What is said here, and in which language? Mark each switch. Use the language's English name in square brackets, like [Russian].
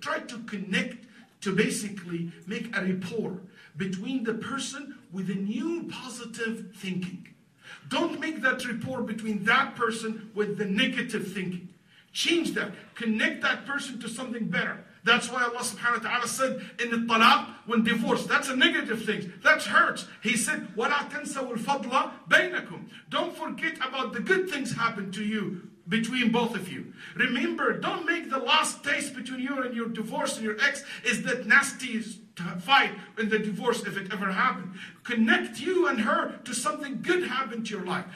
[English] Try to connect, to basically make a rapport between the person with a new positive thinking. Don't make that rapport between that person with the negative thinking. Change that. Connect that person to something better. That's why Allah subhanahu wa ta'ala said in the talaq, when divorced, that's a negative thing. That hurts. He said, [Arabic] وَلَا تَنْسَوُ الْفَضْلَ بَيْنَكُمْ. [English] Don't forget about the good things happened to you between both of you. Remember, don't make the last taste between you and your divorce and your ex is that nasty fight in the divorce if it ever happened. Connect you and her to something good happened to your life.